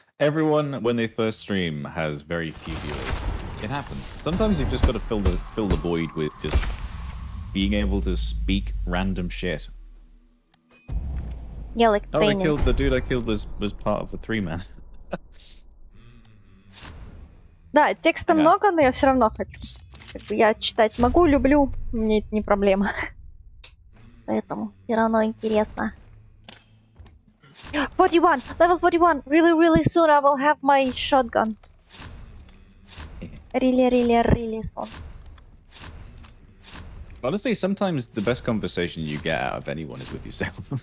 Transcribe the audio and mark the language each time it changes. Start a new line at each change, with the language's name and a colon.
English: Everyone when they first stream has very few viewers. It happens. Sometimes you've just got to fill the void with just being able to speak random shit. Yeah, like oh, training. I killed the dude. I killed was part of the 3-man.
Russian: Да, текста yeah. много, но я все равно хочу. Я читать могу, люблю, мне это не проблема. Поэтому все равно интересно.
English: 41! Level 41! Really, really soon I will have my shotgun. Really, really, really soon. Honestly, sometimes the best conversation you get out of anyone is with yourself.